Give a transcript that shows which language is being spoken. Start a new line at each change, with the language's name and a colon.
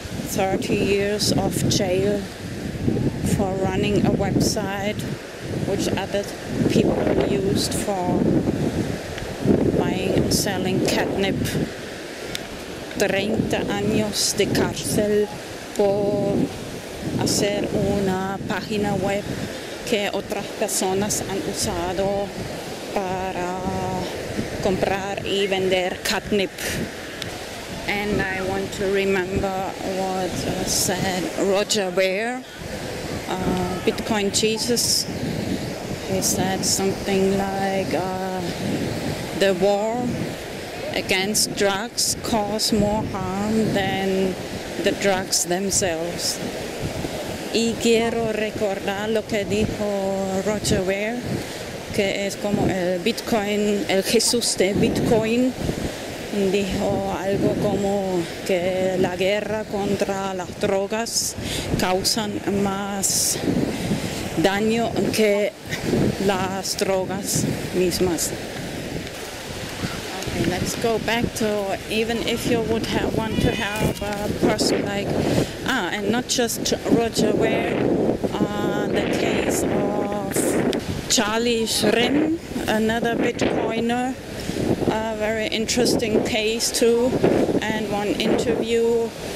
English: 30 years of jail for running a website which other people used for buying and selling catnip.
Spanish: 30 años de cárcel por hacer una página web que otras personas han usado para comprar y vender catnip.
English: And I want to remember what said Roger Ware, Bitcoin Jesus. He said something like, the war against drugs cause more harm than the drugs themselves.
Spanish: Y quiero recordar lo que dijo Roger Ware, que es como el Bitcoin, el Jesús de Bitcoin. Dijo algo como que la guerra contra las drogas causan más daño que las drogas mismas.
English: Okay, let's go back to, even if you would have, want to have a person like, and not just Roger Ware, the case of Charlie Shrim, another Bitcoiner, a very interesting case too, and one interview.